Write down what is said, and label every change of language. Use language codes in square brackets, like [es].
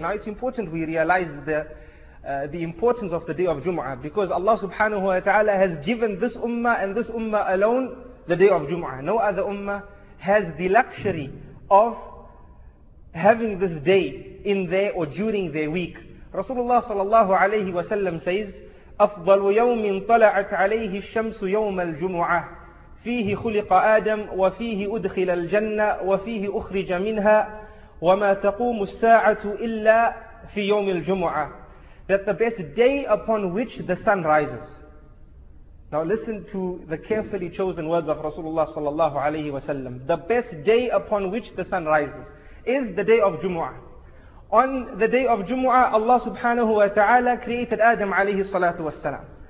[en] Now it's important we realize the importance of the day of Jumu'ah, because Allah subhanahu wa ta'ala has given this ummah and this ummah alone the day of Jumu'ah. No other ummah has the luxury of having this day in there or during their week. Rasulullah sallallahu alayhi wa sallam says, [ar] أَفْضَلُ يَوْمٍ طَلَعَتْ عَلَيْهِ الشَّمْسُ يَوْمَ الْجُمُعَةِ فِيهِ خُلِقَ آدَمُ وَفِيهِ أُدْخِلَ الْجَنَّةِ وَفِيهِ أُخْرِجَ مِنْهَا وَمَا تَقُومُ السَّاعَةُ إِلَّا فِي يَوْمِ الْجُمُعَةِ. [en] That the best day upon which the sun rises. Now listen to the carefully chosen words of Rasulullah sallallahu alayhi wa sallam. The best day upon which the sun rises is the day of Jumu'ah. On the day of Jumu'ah, Allah subhanahu wa ta'ala created Adam alayhi salatu wa salam.